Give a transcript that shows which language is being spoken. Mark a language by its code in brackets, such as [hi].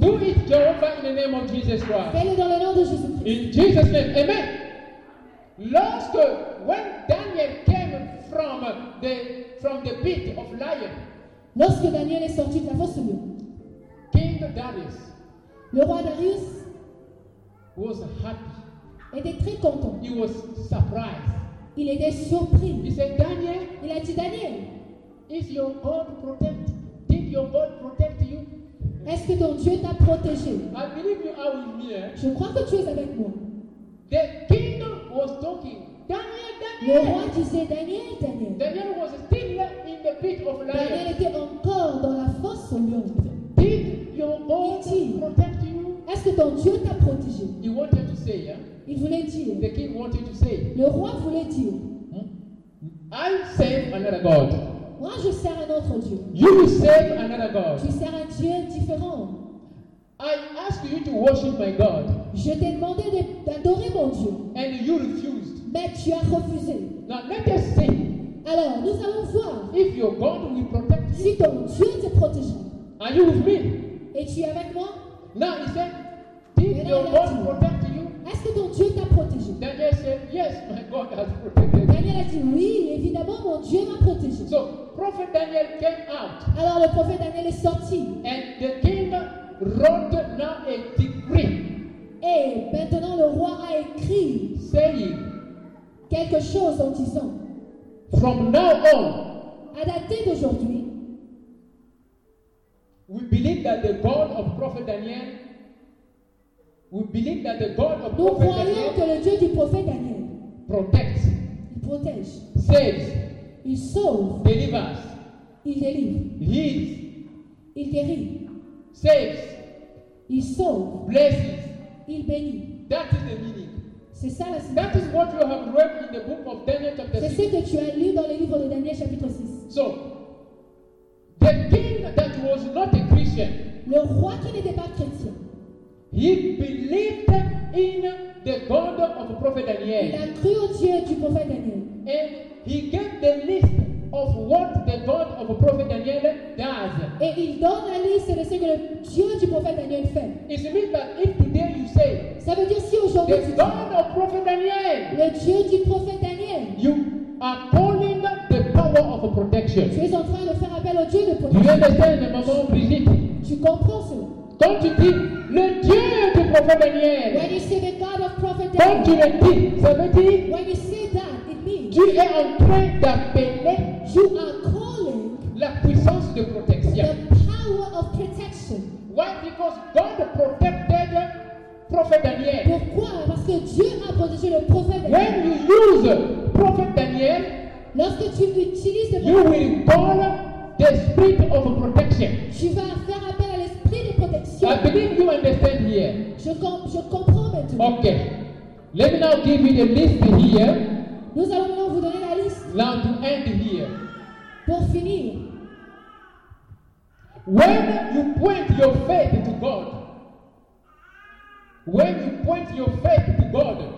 [en] Do it, Jehovah, in the name of Jesus Christ. [fr] Fais-le dans le nom de Jésus. [en] In Jesus' name, amen. Lorsque, when Daniel came from the pit of lion, [fr] lorsque Daniel est sorti de la fosse lion, [en] King Darius, [fr] le roi Darius, [en] was happy. [fr] Était très content. [en] He was surprised. [fr] Il était surpris. [en] He said, Daniel. [fr] Il a dit Daniel. [en] Is your God protect? Did your God protect you? [fr] Est-ce que ton Dieu t'a protégé? [en] I believe you are with me. Eh? [fr] Je crois que tu es avec moi. [en] The king was talking. Daniel, Daniel. [fr] Le roi disait Daniel, Daniel. [en] Daniel was still in the pit of lion. [fr] Daniel était encore dans la fosse au lion. [en] Did your God protect you? [fr] Est-ce que ton Dieu t'a protégé? [en] He wanted to say, yeah. [fr] Il voulait dire. [en] The king wanted to say. [fr] Le roi voulait dire. [en] I serve another God. [fr] Moi, je sers un autre Dieu. [en] You serve another God. [fr] Tu sers un Dieu différent. [en] I ask you to worship my God. [fr] Je t'ai demandé d'adorer mon Dieu. [en] And you refused. [fr] Mais tu as refusé. [en] Now let us see. [fr] Alors, nous allons voir. [en] If your God will protect you. [fr] Si ton Dieu te protège. [en] Are you with me? [fr] Et tu es avec moi? [en] Now he said, did your God protect you? [fr] Est-ce que ton Dieu t'a protégé? [en] Daniel said, yes, my God has protected me. [fr] Daniel a dit, oui, évidemment, mon Dieu m'a protégé. [en] So, prophet Daniel came out. [fr] Alors, le prophète Daniel est sorti. [en] And the king wrote now a decree. [fr] Et maintenant, le roi a écrit [en] saying, [fr] quelque chose en disant, [en] from now on, [fr] à dater d'aujourd'hui, [en] we believe that the God of prophet Daniel. We believe that the God of [fr] nous [en] prophet [fr] croyons [en] Daniel [fr] que le Dieu du prophète Daniel [en] protects, [fr] il protège, [en] saves, [fr] il sauve, [en] delivers, [fr] il délivre, [en] heals, [fr] il guérit, [en] saves, [fr] il sauve, [en] blesses, [fr] il bénit. [en] That is the meaning. [fr] C'est ça la signification. [en] That is what you have read in the book of Daniel chapter 6. [fr] C'est ce que tu as lu dans le livre de Daniel chapitre 6. [en] So, the king that was not a Christian, [fr] le roi qui n'était pas chrétien, [en] he believed in the God of prophet Daniel. [fr] Il a cru au Dieu du prophète Daniel. [en] And he gave the list of what the God of prophet Daniel does. [fr] Et il donne la liste de ce que le Dieu du prophète Daniel fait. [en] It means that if today you say, [fr] ça veut dire si aujourd'hui [en] the God of prophet Daniel, [fr] le Dieu du prophète Daniel, [en] you are calling the power of protection. [fr] Tu es en train de faire appel au Dieu de protection. [en] You understand, Maman Brigitte? [fr] Tu comprends cela? Quand tu dis le Dieu du prophète Daniel, [en] when you say the God of prophet Daniel, [fr] quand tu le dis, ça veut dire, [en] when you say that, it means, [fr] tu es en train d'appeler, [en] you are calling, [fr] la puissance de protection, [en] the power of protection. Why? Because God protected prophet. prophète Daniel. [fr] Pourquoi? Parce que Dieu a positionné le prophète Daniel. [en] When you use prophet Daniel, [fr] lorsque tu utilises le [en] prophète, you will call the spirit of protection. [fr] Tu vas faire appel à l'esprit de protection. [en] I believe you understand here. [fr] Je comprends maintenant. [en] Okay. Let me now give you the list here. [fr] Nous allons maintenant vous donner la liste. [en] Now to end here. [fr] Pour finir. [en] When you point your faith to God, when you point your faith to God,